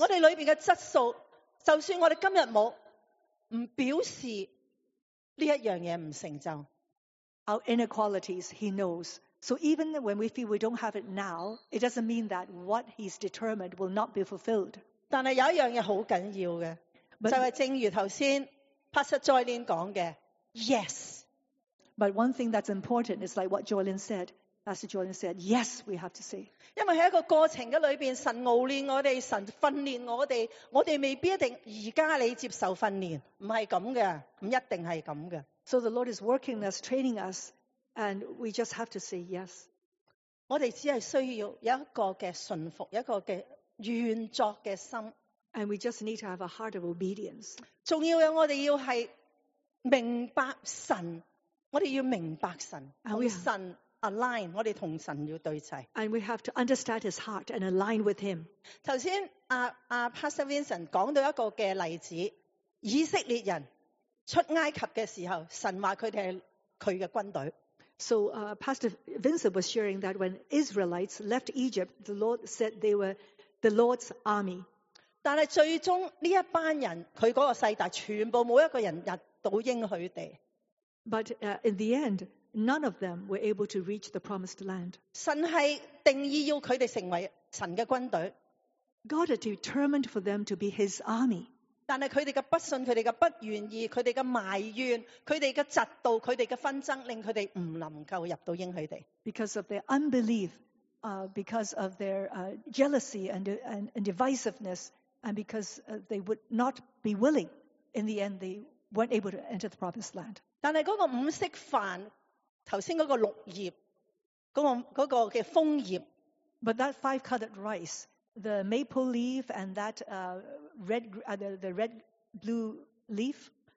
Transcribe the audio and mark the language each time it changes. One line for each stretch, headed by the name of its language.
Chinese: 我们里面的质素, 就算我们今天没有,
English: our inequalities, He knows. So even when we feel we don't have it now, it doesn't mean that what He's determined will not be fulfilled.
Chinese: 但是有一件事很重要的, but, 就是正如刚才 Pastor Joylin 说的, yes.
English: But one thing that's important is like what Joylin said. Pastor Joylin said, yes, we have to say.
Chinese: 因为在一个过程里面, 神熬练我们, 神训练我们, 我们未必一定现在你接受训练, 不是这样的, 不一定是这样的。
English: So the Lord is working us, training us, and we just have to say yes.
Chinese: 我们只是需要有一个的顺服, 一个的愿作的心,
English: and we just need to have a heart of obedience.
Chinese: 重要的我们要是明白神, 我们要明白神, 与神 align, 我们与神要对齐,
English: and we have to understand His heart and align with Him.
Chinese: 刚才Pastor Vincent讲到一个的例子, 以色列人, 出埃及的时候, 神说他们是他的军队。
English: So Pastor Vincent was sharing that when Israelites left Egypt, the Lord said they were the Lord's army.
Chinese: 但是最终这一班人, 他那个世代, 全部没有一个人入到应许地。
English: But in the end, none of them were able to reach the promised land.
Chinese: 神是定义要他们成为神的军队。
English: God had determined for them to be His army.
Chinese: 但是他们的不信, 他们的不愿意, 他们的埋怨, 他们的嫉妒, 他们的纷争, 令他们不能够入到应许地。
English: Because of their unbelief, because of their jealousy and divisiveness, and because they would not be willing, in the end, they weren't able to enter the promised land.
Chinese: 但是那个五色饭, 刚才那个绿叶, 那个的枫叶,
English: but that five-colored rice, the maple leaf and that red blue leaf.